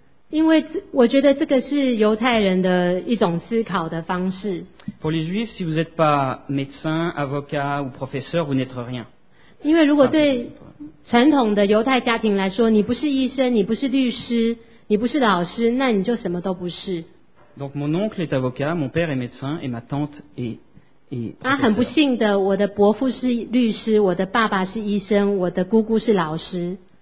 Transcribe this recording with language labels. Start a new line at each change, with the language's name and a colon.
Chinese: 因为我觉得这个是犹太人的一种思考的方式。
French: Pour les juifs, si vous n'êtes pas médecin, avocat ou professeur, vous n'êtes rien.
Chinese: 因为如果对传统的犹太家庭来说，你不是医生，你不是律师，你不是老师，那你就什么都不是。
French: Donc mon oncle est avocat, mon père est médecin et ma tante est professeur.
Chinese: 很不幸的，我的伯父是律师，我的爸爸是医生，我的姑姑是老师。